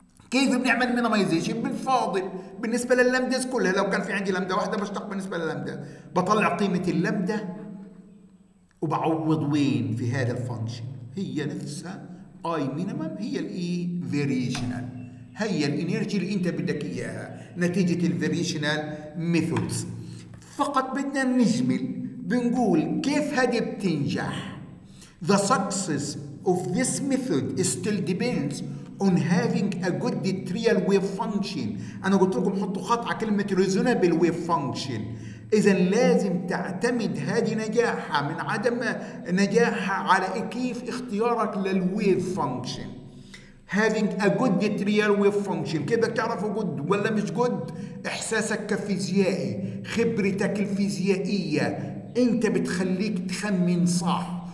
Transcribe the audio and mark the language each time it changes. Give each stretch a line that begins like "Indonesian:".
Arabic: كيف بنعمل مينيمايزيشن؟ بنفاضل بالنسبه لللمدز كلها، لو كان في عندي لمده واحده بشتق بالنسبه لللمده، بطلع قيمه اللمده وبعوض وين في هذا الفانكشن، هي نفسها اي مينيمم، هي الاي فيريشنال، هي الانرجي اللي انت بدك اياها نتيجه الفيريشنال ميثودز. فقط بدنا نجمل بنقول كيف هذه بتنجح.
English: The success of this method still depends on having a good trial wave function.
Arabic: أنا قلت لكم حطوا خط على كلمة reasonable wave function. إذا لازم تعتمد هذه نجاحها من عدم نجاحها على كيف اختيارك للwave function.
English: having a good trial wave function
Arabic: كيف بدك تعرفه good ولا مش good؟ إحساسك كفيزيائي، خبرتك الفيزيائية، أنت بتخليك تخمن صح.